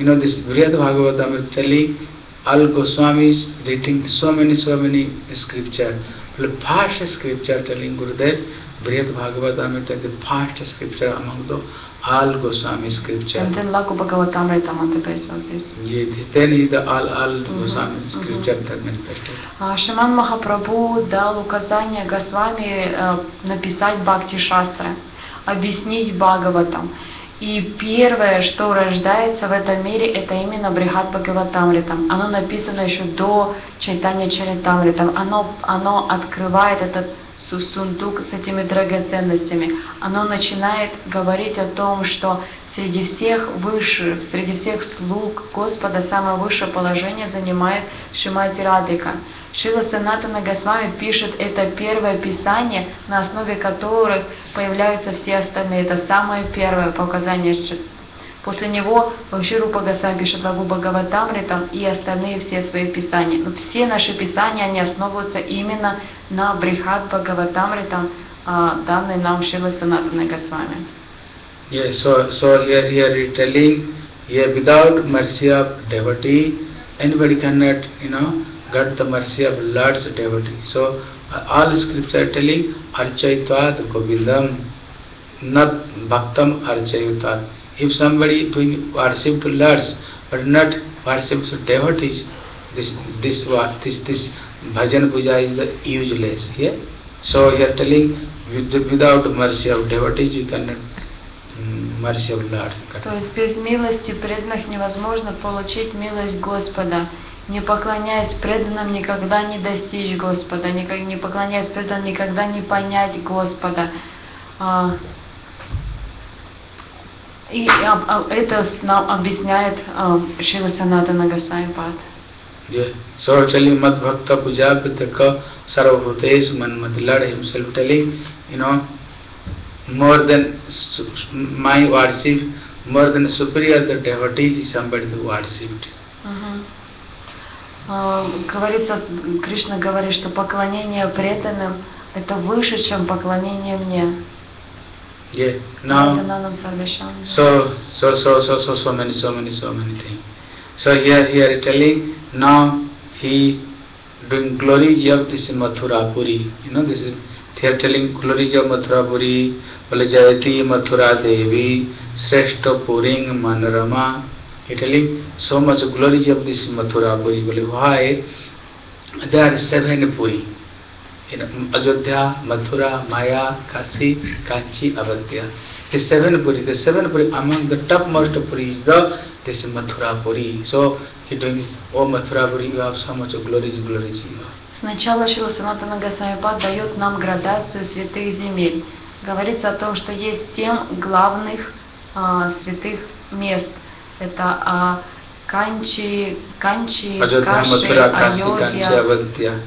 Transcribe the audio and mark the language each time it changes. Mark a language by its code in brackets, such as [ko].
[en] You know, this Brihad Bhagavatamrita telling, all Goswamis reading so many scriptures. The first scripture telling Gurudev, Brihad Bhagavatamrita, the first scripture among the all Goswami scripture. And then Laku Bhagavatamritam on the basis of this. Yeah, then the all Goswami scripture that manifested. [ru] Шриман Махапрабху дал указание Госвами написать Бхакти Шастры, объяснить Бхагаватам. И первое, что рождается в этом мире, это именно Брихад Бхагаватамритам. Оно написано еще до Чайтанья Чаритамритам. Оно открывает этот сундук с этими драгоценностями. Оно начинает говорить о том, что среди всех высших, среди всех слуг Господа самое высшее положение занимает Шримати Радика. Шрила Санатана Госвами пишет это первое писание, на основе которых появляются все остальные. Это самое первое показание. После него вообще Рупа Госвами пишет Лагу Бхагаватамритам и остальные все свои писания. Но все наши писания, они основываются именно на Брихад Бхагаватамритам, данной нам Шрила Санатана Госвами. [en] Yes, so here you're telling, yeah, without mercy of devotee, anybody cannot, you know, got the mercy of Lord's devotee. So all scripture telling, [sa] Archaitvat Govindam, [en] not [sa] Bhaktam Archaitvat. [en] If somebody doing worship to Lord's, but not worship to devotees, this bhajan puja is the useless. Yeah? So you're telling, without mercy of devotees, you cannot. [ru] То есть без милости преданных невозможно получить милость Господа. Не поклоняясь преданным, никогда не достичь Господа. Не поклоняясь преданным, никогда не понять Господа. И это нам объясняет Шрила Санатана Госвами Пад. [en] So telling [sa] Mad Bhakta Puja Pitaka Sarvabhutesh Manmati [en] Lord himself telling, you know, more than my worship, more than superior the devotees is somebody who worshiped. [ru] Говорится, Кришна говорит, что поклонение преданным это выше, чем поклонение мне. [en] Yeah. Now. So many things. So here telling now he doing glory of this Mathurapuri. You know this is. They are telling glory of Mathurapuri, [sa] Palajayati Mathura Devi, Sreshta Puring Manorama. [en] They are telling so much glory of this Mathurapuri. Why? There are seven Puri. In Ajodhya, Mathura, Maya, Kasi, Kanchi, Avadhya. The seven Puri among the topmost Puri is this Mathurapuri. So he doing, oh Mathurapuri, you have so much glory. [ru] Сначала Шрила Санатана Госвами Пад дает нам градацию святых земель. Говорится о том, что есть семь главных святых мест. Это Канчи, Ажодхя, Каши,